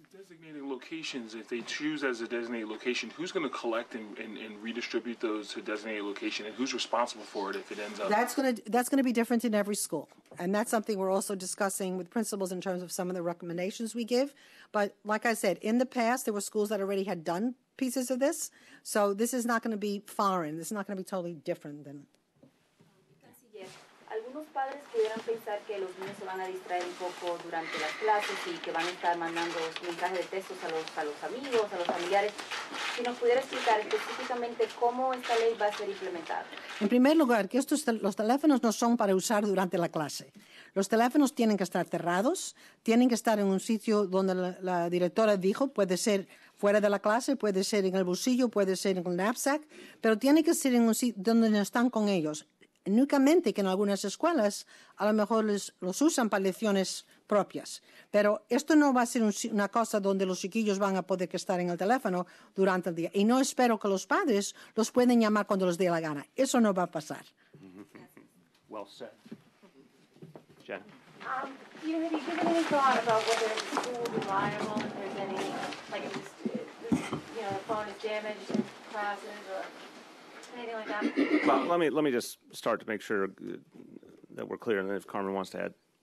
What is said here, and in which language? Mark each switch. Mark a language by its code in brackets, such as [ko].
[en] Designating locations, if they choose as a designated location, who's going to collect and redistribute those to designated location, and who's responsible for it if it ends up? That's going to be different in every school. And that's something we're also discussing with principals in terms of some of the recommendations we give. But like I said, in the past, there were schools that already had done pieces of this. So this is not going to be foreign. This is not going to be totally different than. [es] Algunos padres pudieran pensar que los niños se van a distraer un poco durante las clases y que van a estar mandando mensajes de textos a los amigos, a los familiares. Si nos pudiera explicar específicamente cómo esta ley va a ser implementada. En primer lugar, que estos los teléfonos no son para usar durante la clase. Los teléfonos tienen que estar cerrados, tienen que estar en un sitio donde la directora dijo, puede ser fuera de la clase, puede ser en el bolsillo, puede ser en el knapsack, pero tiene que ser en un sitio donde no están con ellos. Únicamente que en algunas escuelas a lo mejor los usan para lecciones propias. Pero esto no va a ser una cosa donde los chiquillos van a poder estar en el teléfono durante el día. Y no espero que los padres los puedan llamar cuando les dé la gana. Eso no va a pasar. [en] Well said. Jen. Have you given any thought about whether it's school reliable, if there's any, the phone is damaged in classes or anything like that? Well, let me just start to make sure that we're clear, and then if Carmen wants to add.